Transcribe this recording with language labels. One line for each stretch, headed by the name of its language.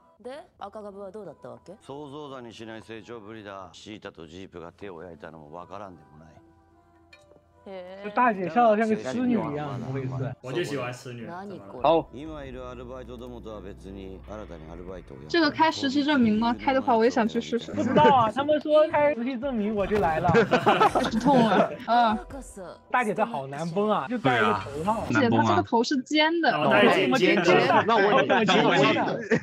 Japanese: で、赤株はどうだったわけ？想像だにしない成長ぶりだ。シータとジープが手を焼いたのもわからんでもない。
Chinese: 这大姐笑得像个痴女一样，怎么回事？我就喜欢痴女。好。
Japanese: 今いるアルバイトどもとは別に新たにアルバイトを。
Chinese: 这个开实习证明吗？开的话我也想去试试。不知道啊，他们说开实习证明我就来了。开始痛了，嗯。大姐这好难崩啊，就戴一个头套。姐，她这个头是尖的。大姐怎么尖的？那我怎么尖的？